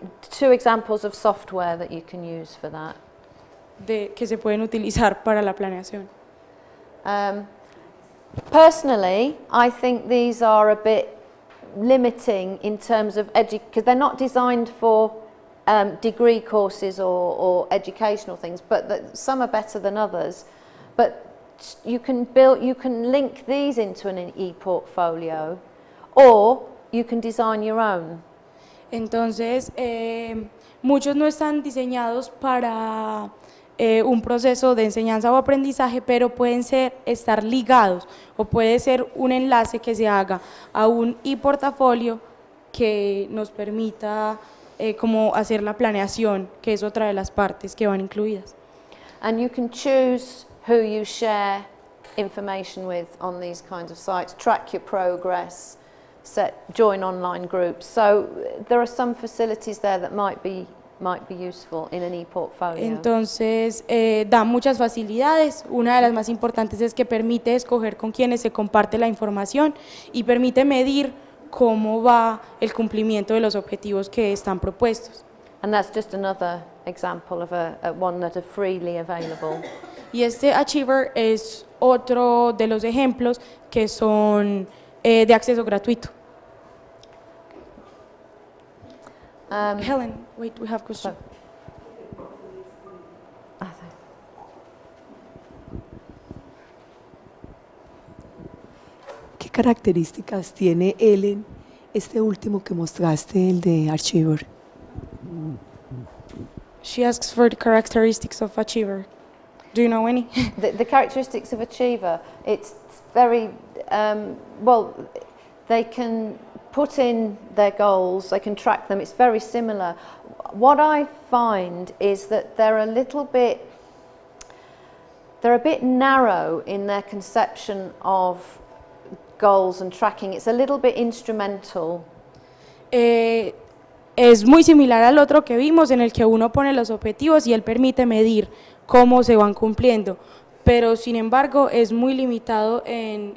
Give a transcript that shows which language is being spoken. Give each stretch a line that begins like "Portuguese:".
English: Two examples of software that you can use for that.
Spanish: De que se pueden utilizar para la planeación.
English: Personally, I think these are a bit limiting in terms of because they're not designed for degree courses or educational things, but some are better than others. But you can link these into an e-portfolio, or you can design your own.
Spanish: Entonces, muchos no están diseñados para un proceso de enseñanza o aprendizaje, pero pueden estar ligados o puede ser un enlace que se haga a un e-portafolio que nos permita como hacer la planeación, que es otra de las partes que van incluidas.
English: And you can choose who you share information with on these kinds of sites, track your progress, set, join online groups. So there are some facilities there that might be useful in an e-portfolio.
Spanish: Entonces, da muchas facilidades. Una de las más importantes es que permite escoger con quienes se comparte la información y permite medir cómo va el cumplimiento de los objetivos que están propuestos.
English: And that's just another example of a one that are freely available.
Spanish: Y este Achiever es otro de los ejemplos que son de acceso gratuito.
English: Helen, wait, we have a question.
Spanish: ¿Qué características tiene Helen este último que mostraste, el de Achiever?
English: She asks for the characteristics of Achiever. Do you know any? The characteristics of Achiever, it's very, they can put in their goals, they can track them, it's very similar. What I find is that they're a bit narrow in their conception of goals and tracking. It's a little bit instrumental.
Spanish: Es muy similar al otro que vimos, en el que uno pone los objetivos y él permite medir cómo se van cumpliendo, pero sin embargo es muy limitado en...